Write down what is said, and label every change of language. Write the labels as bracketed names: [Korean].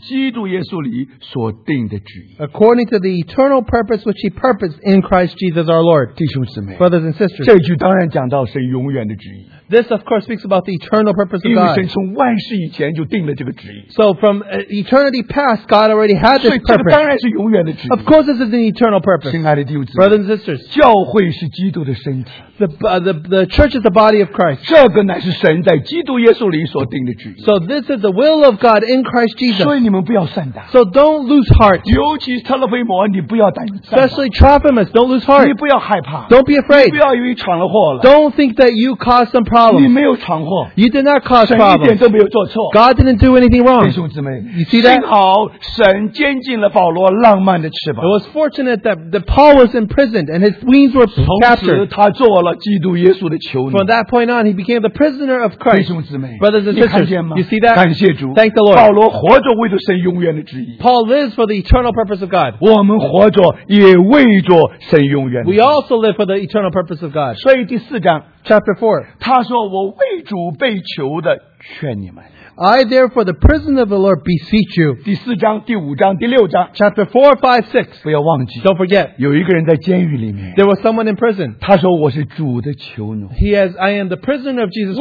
[Chinese] 这是神从万世以前在我们主基督耶稣里所定的旨意, [English] according to the eternal purpose which he purposed in Christ Jesus our Lord. [Chinese] 弟兄姊妹, [English] brothers and sisters, [Chinese] 这句当然讲到神永远的旨意, [English] this of course speaks about the eternal purpose of God. [Chinese] 因为神从万世以前就定了这个旨意, [English] so from eternity past God already had this purpose. [Chinese] 所以这个当然是永远的旨意, [English] of course this is an eternal purpose. [Chinese] 亲爱的弟兄姊妹, [English] brothers and sisters, [Chinese] 教会是基督的身体, [English] the church is the body of Christ. [Chinese] 这个乃是神在基督耶稣里所定的旨意, [English] so this is the will of God in Christ Jesus. [Chinese] 所以你们不要散打, [English] so don't lose heart. [Chinese] 尤其是特罗菲摩, 你不要胆散打, [English] especially Trophimus, don't lose heart. [Chinese] 你不要害怕, [English] don't be afraid. [Chinese] 你不要以为闯了祸了, [English] don't think that you caused some problem. [Chinese] 你没有闯祸, [English] you did not cause problem. [Chinese] 神一点都没有做错, [English] God didn't do anything wrong. [Chinese] 弟兄姊妹, [English] you see that? [Chinese] 幸好神监禁了保罗浪漫的翅膀, [English] it was fortunate that the Paul was imprisoned and his wings were captured. [Chinese] 从此他做了基督耶稣的囚奴, [English] from that point on he became the prisoner of Christ. [Chinese] 弟兄姊妹, [English] brothers and sisters, [Chinese] 你看见吗? [English] You see that? [Chinese] 感谢主, [English] thank the Lord. [Chinese] 保罗活着为着神永远的旨意, [English] Paul lives for the eternal purpose of God. [Chinese] 我们活着也为着神永远的, [English] we also live for the eternal purpose of God. [Chinese] 所以第四章, [English] chapter 4, [Chinese] 他说我为主被囚的劝你们, [English] I therefore, the prisoner of the Lord, beseech you. [Chinese] 第4章、第5章、第6章, [English] chapter 4, 5, 6. [Chinese] 不要忘记, [English] don't forget. [Chinese] 有一个人在监狱里面, [English] there was someone in prison. [Chinese] 他说我是主的囚奴, [English] he has, I am the prisoner of Jesus Christ.